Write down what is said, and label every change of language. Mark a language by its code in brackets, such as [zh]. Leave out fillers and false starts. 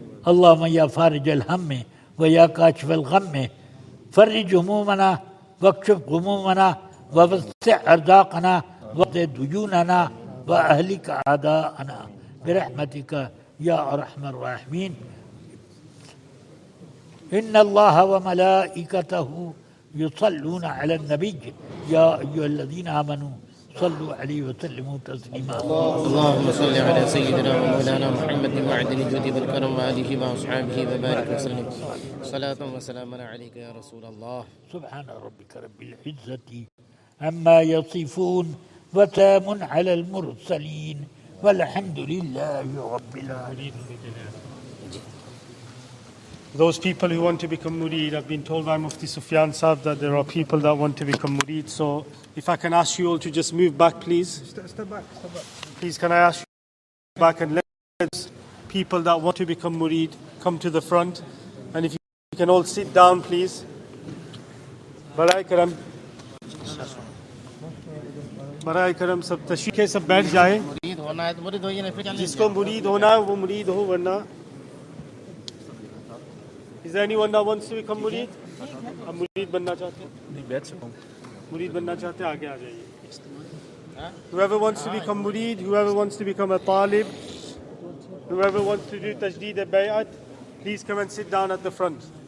[ar] اللهم يا فارج الهم ويا كاشف الغم فرج همومنا واكشف غمومنا ووسع ارزاقنا واقضي ديوننا واهلك اعداءنا برحمتك يا ارحم الراحمين ان الله وملائكته يصلون على النبي يا ايها الذين امنوا صلوا عليه وسلموا تسليما اللهم صل على سيدنا ومولانا محمد وعدل الجود والكرم وآله وأصحابه وبارك وسلم صلاة وسلام عليك يا رسول الله سبحان ربك رب العزة عما يصفون وسلام على المرسلين والحمد لله رب العالمين [en] those people who want to become murid. I've been told by Mufti Sufyan Saab that there are people that want to become murid. So if I can ask you all to just move back, please. Step back. Please, can I ask you to move back and let people that want to become murid come to the front? And if you can all sit down, please. [ur] برائے کرم سب تشریف سب بیٹھ جائیں. مرید ہونا ہے تو مرید ہو, جس کو مرید ہونا ہے وہ مرید ہو, ورنہ [en] is anyone that wants to become murid? [ur] ہم مرید بننا چاہتے ہیں, نہیں بیٹھ سکوں, مرید بننا چاہتے ہیں, آگے آ جائیے. [en] Whoever wants to become murid, whoever wants to become a talib, whoever wants to do tajdeed al-bay'at, please come and sit down at the front.